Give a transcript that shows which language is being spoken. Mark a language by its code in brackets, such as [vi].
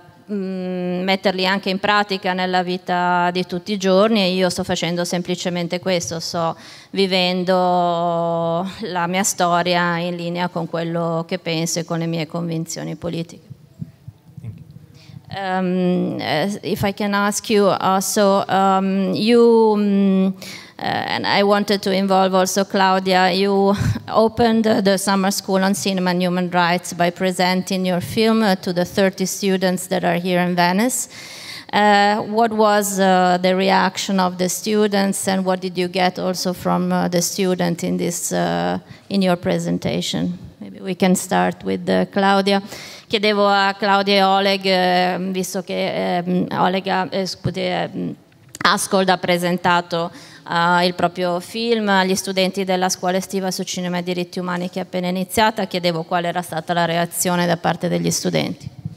[it] metterli anche in pratica nella vita di tutti i giorni, e io sto facendo semplicemente questo, sto vivendo la mia storia in linea con quello che penso e con le mie convinzioni politiche. [en] If I can ask you also, and I wanted to involve also Claudia, you opened the summer school on cinema and human rights by presenting your film to the 30 students that are here in Venice. What was the reaction of the students, and what did you get also from the student in this in your presentation? Maybe we we can start with Claudia. [it] Chiedevo a Claudia e Oleg, visto che Oleg Askold ha presentato il proprio film agli studenti della scuola estiva su cinema e diritti umani che è appena iniziata, chiedevo qual era stata la reazione da parte degli studenti.